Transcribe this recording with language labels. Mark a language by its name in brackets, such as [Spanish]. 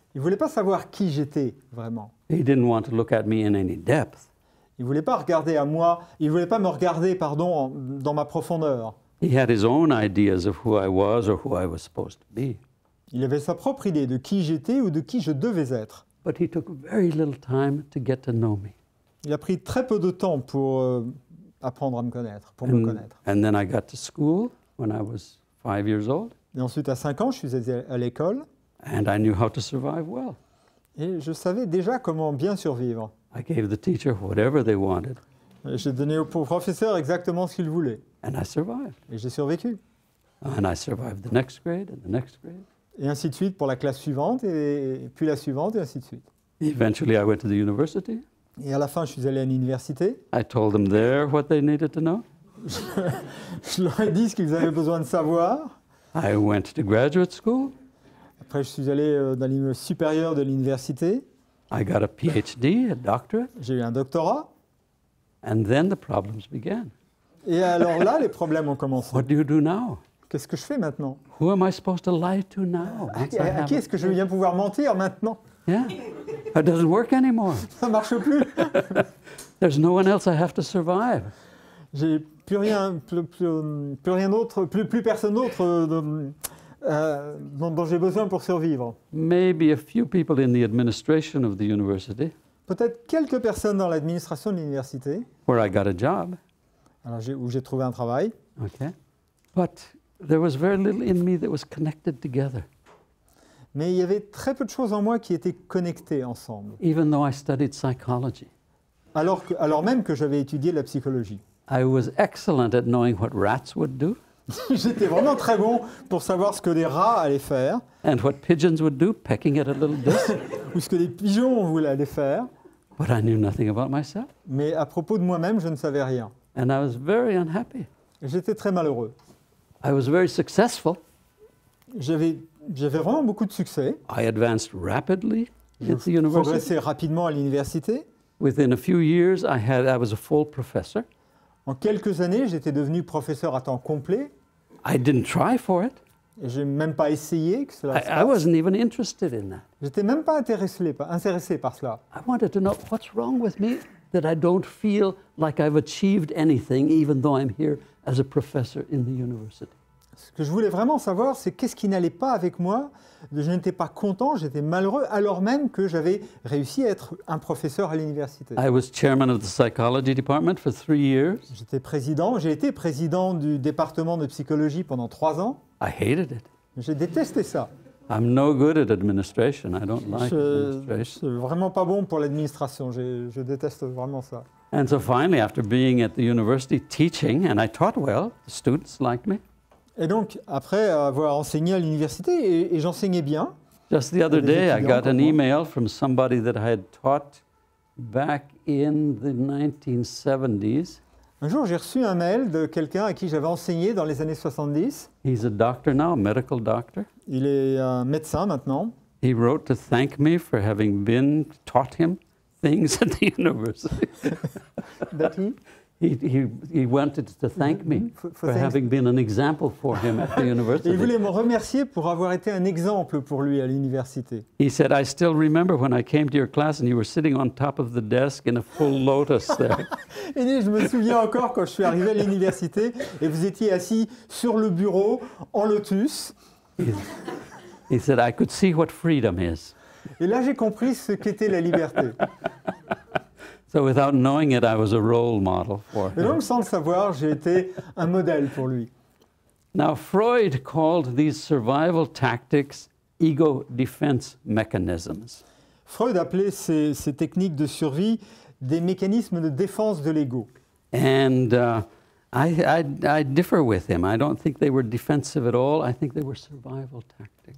[French] Il voulait pas savoir qui j'étais vraiment. [English] He didn't want to look at me in any depth. [French] Il voulait pas me regarder, pardon, dans ma profondeur. [English] He had his own ideas of who I was or who I was supposed to be. [French] Il avait sa propre idée de qui j'étais ou de qui je devais être. [English] But he took very little time to get to know me. [French] Il a pris très peu de temps pour apprendre à me connaître, pour me connaître. [English] And then I got to school when I was 5 years old. [French] Et ensuite, à 5 ans, je suis allé à l'école. [English] And I knew how to survive well. [French] Et je savais déjà comment bien survivre. [English] I gave the teacher whatever they wanted. [French] Et j'ai donné au professeur exactement ce qu'il voulait. [English] And I survived. [French] Et j'ai survécu. [English] And I survived the next grade and the next grade. [French] Et ainsi de suite pour la classe suivante et puis la suivante et ainsi de suite. [English] Eventually, I went to the university. [French] Et à la fin, je suis allé à l'université. [English] I told them there what they needed to know. [French] Je leur ai dit ce qu'ils avaient besoin de savoir. [English] I went to graduate school. [French] Après, je suis allé dans le niveau supérieur de l'université. [English] I got a PhD, a doctorate. [French] J'ai eu un doctorat. [English] And then the problems began. [French] Et alors là, les problèmes ont commencé. [English] What do you do now? [French] Qu'est-ce que je fais maintenant? [English] Who am I supposed to lie to now? [French] À qui est-ce que je viens pouvoir mentir maintenant? [English] Yeah. It doesn't work anymore. [French] Ça marche plus. [English] There's no one else I have to survive. [French] J'ai plus personne d'autre dont j'ai besoin pour survivre. [English] Maybe a few people in the administration of the university. [French] Peut-être quelques personnes dans l'administration de l'université. [English] Where I got a job. [French] Alors où j'ai trouvé un travail. [English] Okay. But there was very little in me that was connected together. [French] Mais il y avait très peu de choses en moi qui étaient connectées ensemble. [English] Even though I studied psychology. [French] Alors même que j'avais étudié la psychologie. [English] I was excellent at knowing what rats would do. [French] J'étais vraiment très bon pour savoir ce que des rats allaient faire. [English] And what pigeons would do, pecking at a little distance. [French] Ou ce que des pigeons voulaient faire. [English] But I knew nothing about myself. [French] Mais à propos de moi-même, je ne savais rien. [English] And I was very unhappy. [French] J'étais très malheureux. [English] I was very successful. [French] J'avais vraiment beaucoup de succès. [English] I advanced rapidly at the university. [French] J'ai progressé rapidement à l'université. [English] Within a few years, I was a full professor. [French] En quelques années, j'étais devenu professeur à temps complet. [English] I didn't try for it. [French] Et j'ai même pas essayé que cela se passe. [English] I wasn't even interested in that. [French] J'étais même pas intéressé par cela. [English] I wanted to know what's wrong with me that I don't feel like I've achieved anything, even though I'm here as a professor in the university. [French] Ce que je voulais vraiment savoir, c'est qu'est-ce qui n'allait pas avec moi. Je n'étais pas content, j'étais malheureux, alors même que j'avais réussi à être un professeur à l'université. [English] I was chairman of the psychology department for 3 years. [French] J'ai été président du département de psychologie pendant 3 ans. [English] I hated it. [French] J'ai détesté ça. [English] I'm no good at administration. I don't like administration. [French] Je suis vraiment pas bon pour l'administration. Je déteste vraiment ça. [English] And so finally, after being at the university teaching, and I taught well, the students liked me. [French] Et donc, après avoir enseigné à l'université, et j'enseignais bien. [English] Just the other day, I got an email from somebody that I had taught back in the 1970s. [French] Un jour, j'ai reçu un mail de quelqu'un à qui j'avais enseigné dans les années 70. [English] He's a doctor now, a medical doctor. [French] Il est un médecin maintenant. [English] He wrote to thank me for having been taught him things at the university. That he? He wanted to thank me for having been an example for him at the university. [French] Il voulait me remercier pour avoir été un exemple pour lui à l'université. [English] He said, I still remember when I came to your class and you were sitting on top of the desk in a full lotus there. [French] Il dit, je me souviens encore quand je suis arrivé à l'université et vous étiez assis sur le bureau en lotus. [English] He said, I could see what freedom is. [French] Et là, j'ai compris ce qu'était la liberté. [English] So without knowing it, I was a role model for him. [French] Et donc, sans le savoir, j'ai été un modèle pour lui. [English] Now, Freud called these survival tactics ego defense mechanisms. [French] Freud appelait ces techniques de survie des mécanismes de défense de l'ego. [English] And I differ with him. I don't think they were defensive at all. I think they were survival tactics.